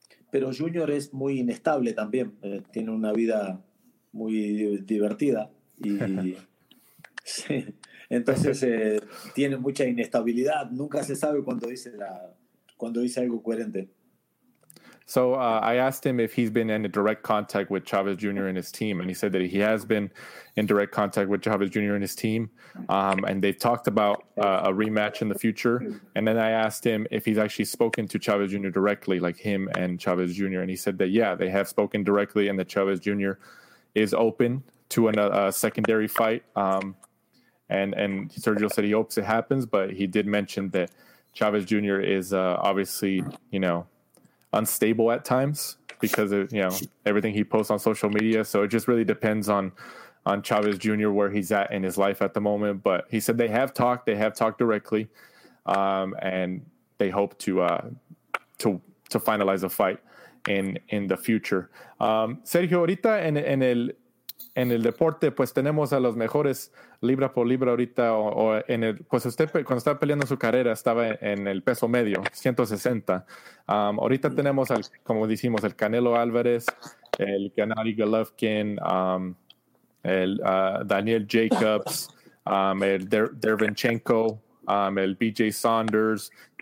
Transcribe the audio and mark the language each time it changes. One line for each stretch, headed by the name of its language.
Spanish: Pero Junior es muy inestable también. Tiene una vida muy divertida. Y sí. Entonces tiene mucha inestabilidad. Nunca se sabe cuando dice algo coherente.
English: So I asked him if he's been in direct contact with Chavez Jr. and his team, and he said that he has been in direct contact with Chavez Jr. and his team, and they've talked about a rematch in the future. And then I asked him if he's actually spoken to Chavez Jr. directly, like him and Chavez Jr., and he said that, yeah, they have spoken directly and that Chavez Jr. is open to a secondary fight. And Sergio said he hopes it happens, but he did mention that Chavez Jr. is obviously, you know, unstable at times because of, you know, everything he posts on social media. So it just really depends on Chavez Jr. where he's at in his life at the moment. But he said they have talked directly, and they hope to finalize a fight in the future.
Spanish: Sergio, ahorita en el deporte, pues tenemos a los mejores libra por libra ahorita, o en el, pues usted cuando estaba peleando su carrera estaba en el peso medio, 160. Ahorita tenemos, al, como decimos, el Canelo Álvarez, el Gennady Golovkin, el Daniel Jacobs, el Derevchenko, el BJ Saunders.